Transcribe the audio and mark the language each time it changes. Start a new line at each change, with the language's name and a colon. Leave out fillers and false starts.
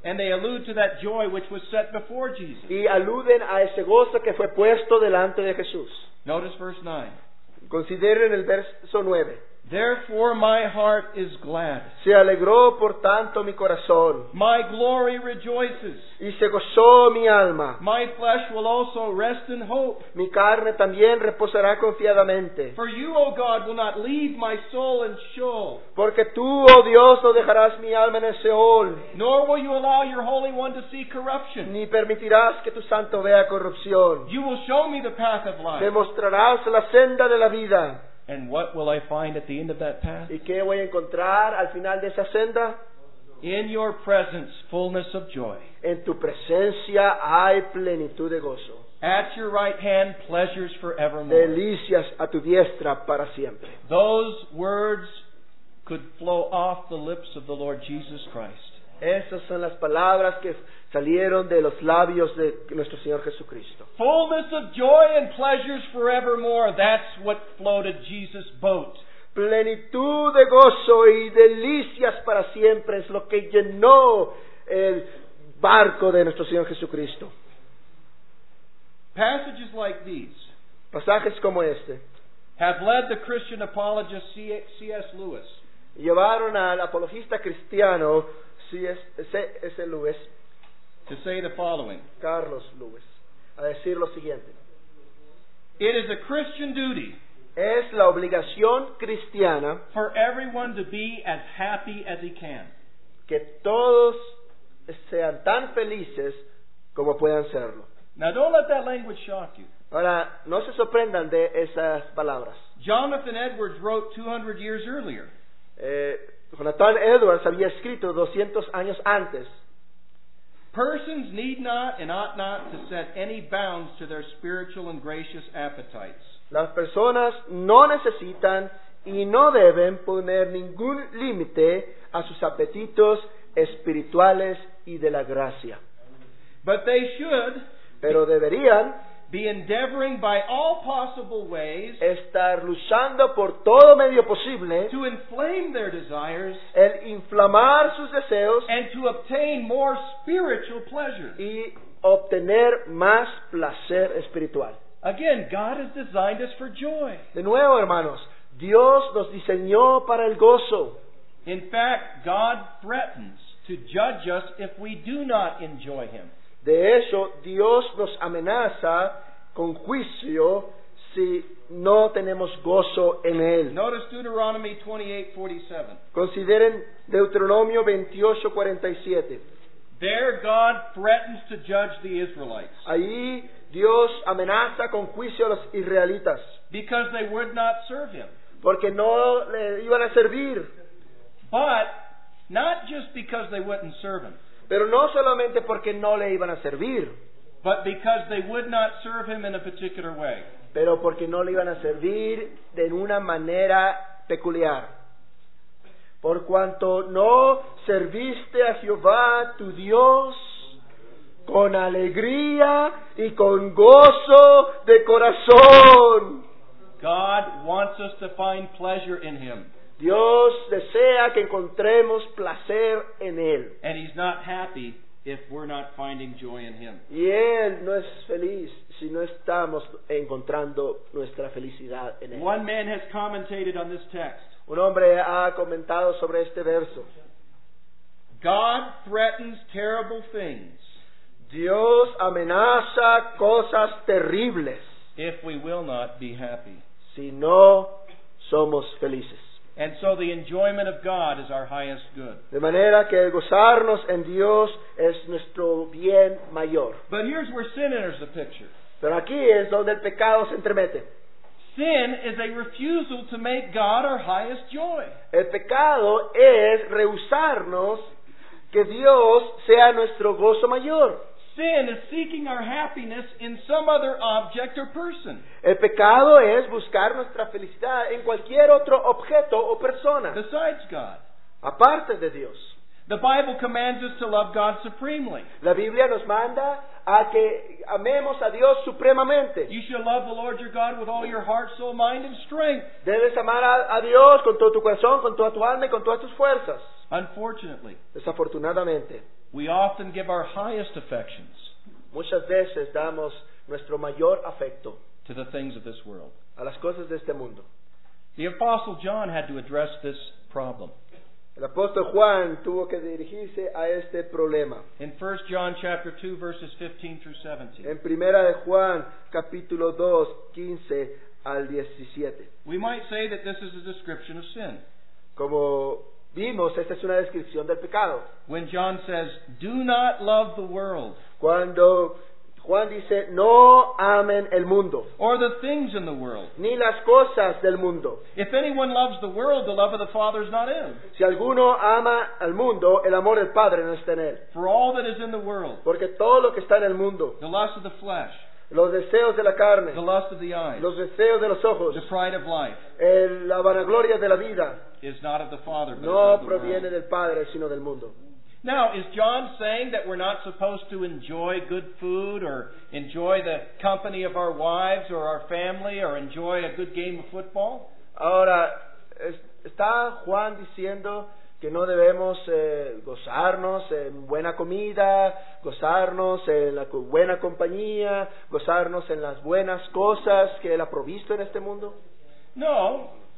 English: And they allude to that joy which was set before Jesus.
Spanish: Y aluden a ese gozo que fue puesto delante de Jesús.
English: Notice verse 9.
Spanish: Consideren el verso 9.
English: Therefore my heart is glad.
Spanish: Se alegró por tanto mi corazón.
English: My glory rejoices.
Spanish: Y se gozó mi alma.
English: My flesh will also rest in hope.
Spanish: Mi carne también reposará confiadamente.
English: For you, O God, will not leave my soul in Sheol.
Spanish: Porque tú, oh Dios, no dejarás mi alma en el Seol.
English: Nor will you allow your Holy One to see corruption.
Spanish: Ni permitirás que tu Santo vea corrupción.
English: You will show me the path of life.
Spanish: Me mostrarás la senda de la vida.
English: And what will I find at the end of that path?
Spanish: ¿Y qué voy a encontrar al final de esa senda?
English: In your presence, fullness of joy.
Spanish: En tu presencia hay plenitud de gozo.
English: At your right hand, pleasures forevermore.
Spanish: Delicias a tu diestra para siempre.
English: Those words could flow off the lips of the Lord Jesus Christ.
Spanish: Esas son las palabras que salieron de los labios de nuestro Señor Jesucristo.
English: Fullness of joy and pleasures forevermore. That's what floated Jesus' boat.
Spanish: Plenitud de gozo y delicias para siempre es lo que llenó el barco de nuestro Señor Jesucristo.
English: Passages like these,
Spanish: pasajes como este,
English: have led the Christian apologist C.S. Lewis.
Spanish: Llevaron al apologista cristiano C.S. Lewis
English: to say the following.
Spanish: Carlos Lewis, a decir lo siguiente.
English: It is a Christian duty.
Spanish: Es la obligación cristiana.
English: For everyone to be as happy as he can.
Spanish: Que todos sean tan felices como puedan serlo.
English: Now don't let that language shock you.
Spanish: Ahora, no se sorprendan de esas palabras.
English: Jonathan Edwards wrote 200 years earlier.
Spanish: Jonathan Edwards había escrito 200 años antes.
English: Persons need not and ought not to set any bounds to their spiritual and gracious appetites.
Spanish: Las personas no necesitan y no deben poner ningún límite a sus apetitos espirituales y de la gracia.
English: But they should.
Spanish: Pero deberían
English: be endeavoring by all possible ways,
Spanish: estar luchando por todo medio posible,
English: to inflame their desires,
Spanish: el inflamar sus deseos,
English: and to obtain more spiritual pleasures,
Spanish: y obtener más placer espiritual.
English: Again, God has designed us for joy.
Spanish: De nuevo, hermanos, Dios nos diseñó para el gozo.
English: In fact, God threatens to judge us if we do not enjoy Him.
Spanish: De hecho, Dios nos amenaza con juicio si no tenemos gozo en Él.
English: Notice Deuteronomy 28:47.
Spanish: Consideren Deuteronomio 28:47.
English: There God threatens to judge the Israelites.
Spanish: Ahí Dios amenaza con juicio a los israelitas.
English: Because they would not serve Him.
Spanish: Porque no le iban a servir.
English: But not just because they wouldn't serve Him.
Spanish: Pero no solamente porque no le iban a servir.
English: But because they would not serve Him in a particular way.
Spanish: Pero porque no le iban a servir de una manera peculiar. Por cuanto no serviste a Jehová tu Dios con alegría y con gozo de corazón.
English: God wants us to find pleasure in Him.
Spanish: Dios desea que encontremos placer en Él.
English: And He's not happy if we're not finding joy in Him.
Spanish: Y Él no es feliz si no estamos encontrando nuestra felicidad en Él.
English: One man has commentated on this text.
Spanish: Un hombre ha comentado sobre este verso.
English: God threatens terrible things.
Spanish: Dios amenaza cosas terribles.
English: If we will not be happy.
Spanish: Si no somos felices.
English: And so the enjoyment of God is our highest good.
Spanish: De manera que gozarnos en Dios es nuestro bien mayor.
English: But here's where sin enters the picture.
Spanish: Pero aquí es donde el pecado se entremete.
English: Sin is a refusal to make God our highest joy.
Spanish: El pecado es rehusarnos que Dios sea nuestro gozo mayor.
English: Sin is seeking our happiness in some other object or person.
Spanish: El pecado es buscar nuestra felicidad en cualquier otro objeto o persona.
English: Besides God.
Spanish: Aparte de Dios.
English: The Bible commands us to love God supremely.
Spanish: La Biblia nos manda a que amemos a Dios supremamente.
English: You shall love the Lord your God with all your heart, soul, mind, and strength.
Spanish: Debes amar a Dios con todo tu corazón, con toda tu alma y con todas tus fuerzas.
English: Unfortunately.
Spanish: Desafortunadamente.
English: We often give our highest affections.
Spanish: Muchas veces damos nuestro mayor afecto
English: to the things of this world.
Spanish: A las cosas de este mundo.
English: The Apostle John had to address this problem.
Spanish: El apóstol Juan tuvo que dirigirse a este problema.
English: In 1 John chapter 2 verses 15 through 17.
Spanish: En Primera de Juan capítulo 2, 15 al 17.
English: We might say that this is a description of sin.
Spanish: Como vimos, esta es una descripción del pecado.
English: When John says, "Do not love the world."
Spanish: Cuando Juan dice, "No amen el mundo."
English: Or the things in the world.
Spanish: Ni las cosas del mundo.
English: If anyone loves the world, the love of the Father is not in.
Spanish: Si alguno ama al mundo, el amor del Padre no está en él.
English: For all that is in the world.
Spanish: Porque todo lo que está en el mundo.
English: The lust of the flesh.
Spanish: los deseos de la carne,
English: the lust of the eyes,
Spanish: los deseos de los ojos,
English: the pride of life,
Spanish: la vanagloria de la vida,
English: is not of the Father, but
Spanish: no
English: of the world.
Spanish: Proviene del Padre, sino del mundo.
English: Now, is John saying that we're not supposed to enjoy good food or enjoy the company of our wives or our family or enjoy a good game of football?
Spanish: Ahora, ¿está Juan diciendo que no debemos gozarnos en buena comida, gozarnos en la buena compañía, gozarnos en las buenas cosas que Él ha provisto en este mundo?
English: No.